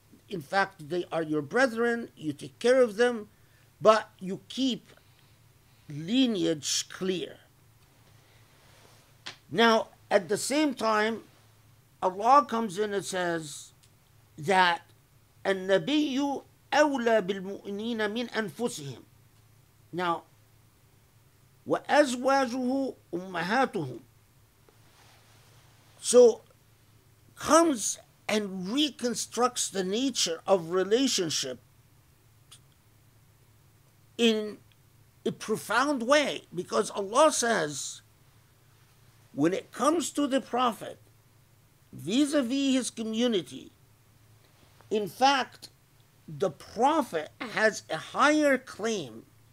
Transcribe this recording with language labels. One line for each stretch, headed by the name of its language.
English: In fact, they are your brethren. You take care of them, but you keep lineage clear. Now, at the same time,
Arabic: Allah comes in and says that النَّبِيُّ أَوْلَى بِالْمُؤْمِنِينَ مِنْ أَنفُسِهِمْ.
English: Now,
Arabic: وَأَزْوَاجُهُ أُمَّهَاتُهُمْ.
English: So, comes and reconstructs the nature of relationship in a profound way, because Allah says, when it comes to the Prophet, vis-a-vis his community, in fact, the Prophet has a higher claim.